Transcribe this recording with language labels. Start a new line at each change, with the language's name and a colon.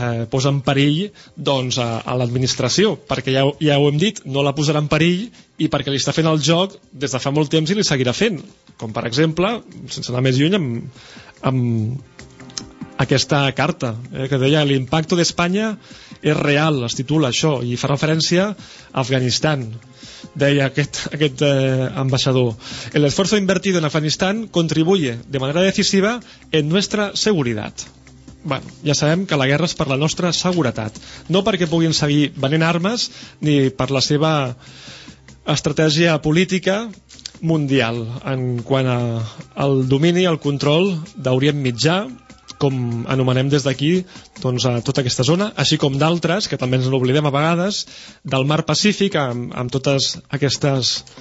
Catalan: posa en perill a l'administració, perquè ja ho hem dit, no la posarà en perill i perquè li està fent el joc des de fa molt temps i li seguirà fent, com per exemple, sense anar més lluny, amb aquesta carta que deia l'impacto d'Espanya és real, es titula això, i fa referència a Afganistan, deia aquest ambaixador.
Spanish: El esfuerzo invertido en Afganistán contribuye de manera decisiva en nuestra seguridad.
Catalan: Bueno, ja sabem que la guerra és per la nostra seguretat, no perquè puguin seguir venent armes ni per la seva estratègia política mundial en quant al domini, al control d'Orient Mitjà, com anomenem des d'aquí a tota aquesta zona, així com d'altres, que també ens n'oblidem a vegades, del mar Pacífic, amb totes aquestes